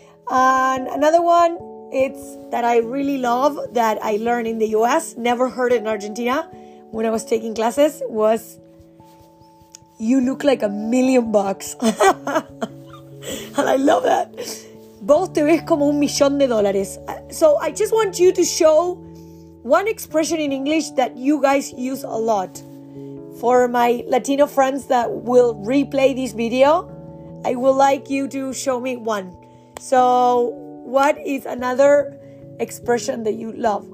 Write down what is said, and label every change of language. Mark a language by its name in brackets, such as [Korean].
[English] And another one, it's that I really love, that I learned in the U.S., never heard it in Argentina when I was taking classes, was you look like a million bucks. And I love that. [Spanish] Vos te ves como un millón de dólares. [English] So I just want you to show one expression in English that you guys use a lot. For my Latino friends that will replay this video, I would like you to show me one. So, what is another expression that you love?